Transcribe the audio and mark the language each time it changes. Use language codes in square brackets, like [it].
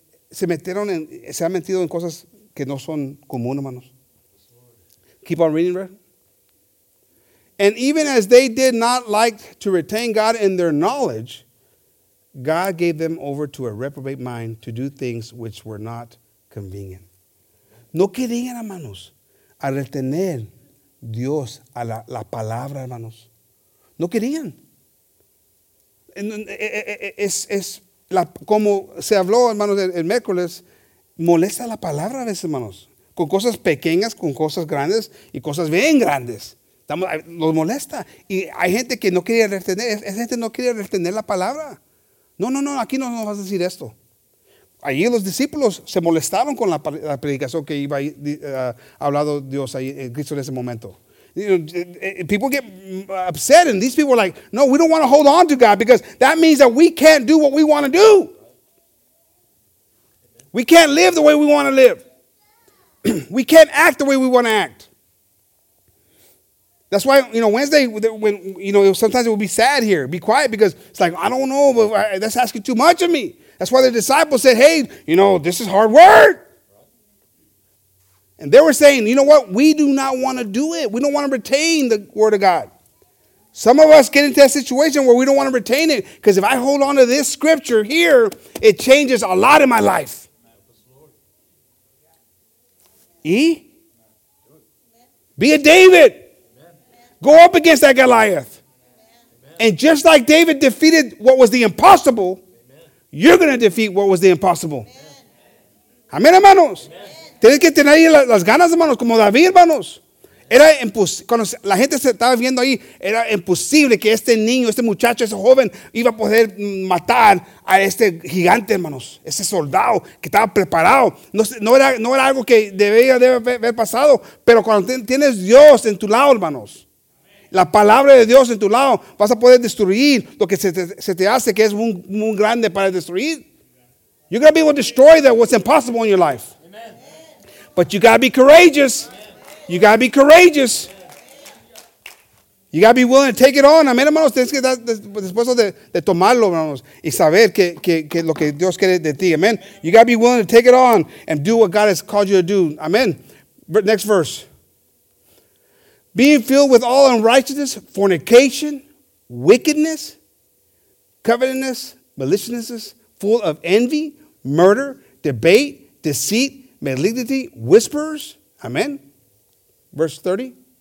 [es] Se han metido en cosas que no son comunes, hermanos. [en] Keep on reading, brother. And even as they did not like to retain God in their knowledge, God gave them over to a reprobate mind to do things which were not convenient. [es] No querían, hermanos, a retener Dios a la palabra, hermanos. No querían. Es la, como se habló, hermanos, el miércoles, molesta la palabra a veces, hermanos. Con cosas pequeñas, con cosas grandes y cosas bien grandes. Nos molesta. Y hay gente que no quería retener. Esa gente no quería retener la palabra. No, aquí no nos vas a decir esto. Allí los discípulos se molestaron con la predicación que iba hablado Dios ahí en Cristo en ese momento. [en] You know, people get upset, and these people are like, no, we don't want to hold on to God because that means that we can't do what we want to do. We can't live the way we want to live. We can't act the way we want to act. That's why, you know, Wednesday, when you know, sometimes it will be sad here, be quiet, because it's like, I don't know, but that's asking too much of me. That's why the disciples said, hey, you know, this is hard work. And they were saying, you know what? We do not want to do it. We don't want to retain the word of God. Some of us get into that situation where we don't want to retain it because if I hold on to this scripture here, it changes a lot in my life. E? Be a David. Go up against that Goliath. And just like David defeated what was the impossible, you're going to defeat what was the impossible. [es] Amen, hermanos. Tienes que tener ahí las ganas, hermanos, como David, hermanos. Era imposible, cuando la gente se estaba viendo ahí, era imposible que este niño, este muchacho, ese joven, iba a poder matar a este gigante, hermanos. Ese soldado que estaba preparado. No era algo que debía de haber pasado, pero cuando tienes Dios en tu lado, hermanos, la palabra de Dios en tu lado, vas a poder destruir lo que se te hace, que es un grande para destruir. [en] You're going to be able to destroy that what's impossible in your life. But you got to be courageous. Amen. You got to be courageous. Amen. You got to be willing to take it on. [es] Amén, hermanos. Tienes que estar dispuesto de tomarlo, hermanos. Y saber que lo que Dios quiere de ti. Amén. [en] You got to be willing to take it on and do what God has called you to do. Amén. Next verse. Being filled with all unrighteousness, fornication, wickedness, covetousness, maliciousness, full of envy, murder, debate, deceit, malignity, whispers, amen. Verse 30.